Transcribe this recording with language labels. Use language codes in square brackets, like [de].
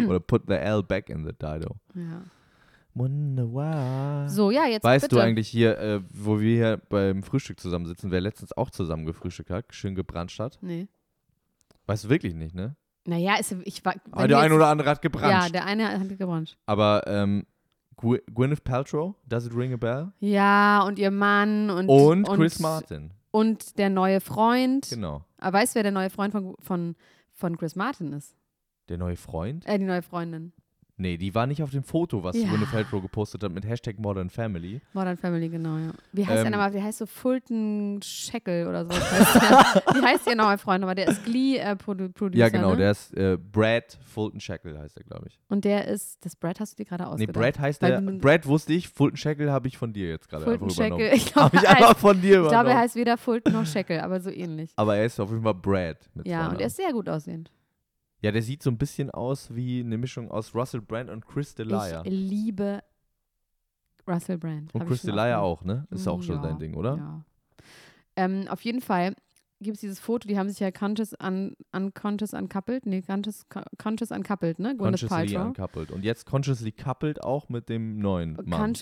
[de] Oder [en] put the L back in the Dido. [de] Ja. [en] Wonder why. [de] So, ja, jetzt weißt bitte. Du eigentlich hier, wo wir hier beim Frühstück zusammen sitzen, wer letztens auch zusammen gefrühstückt hat, schön gebruncht hat? Nee. Weißt du wirklich nicht, ne? Naja, ich war... Aber der eine oder andere hat gebruncht. Ja, der eine hat gebruncht. Aber [en] Gwyneth Paltrow, does it ring a bell? [de] Ja, und ihr Mann und... Und Chris Martin. Und der neue Freund. Genau. Aber weißt du, wer der neue Freund von Chris Martin ist? Der neue Freund? Die neue Freundin. Nee, die war nicht auf dem Foto, was Gwyneth Paltrow gepostet hat mit Hashtag Modern Family. Modern Family, genau, ja. Wie heißt der nochmal? Wie heißt so Fulton Sheckel oder so? Wie heißt ihr nochmal, Freund? Aber der ist Glee-Producer. Ja, genau, ne? Der ist Brad Fulton Sheckel heißt er, glaube ich. Und der ist, das Brad hast du dir gerade ausgedacht? Nee, Brad heißt der. Brad wusste ich, Fulton Sheckel habe ich von dir jetzt gerade einfach übernommen. Fulton Sheckel, glaube ich. Einfach von dir übernommen. Ich glaube, er heißt weder Fulton noch Sheckel, aber so ähnlich. Aber er ist auf jeden Fall Brad. Und er ist sehr gut aussehend. Ja, der sieht so ein bisschen aus wie eine Mischung aus Russell Brand und Chris D'Elia. Ich liebe Russell Brand. Und Chris D'Elia auch, ne? Ist auch schon dein Ding, oder? Ja. Auf jeden Fall gibt es dieses Foto, die haben sich ja Consciously Uncoupled, ne? Gwyneth Paltrow. Consciously Uncoupled. Und jetzt Consciously Coupled auch mit dem neuen Mann.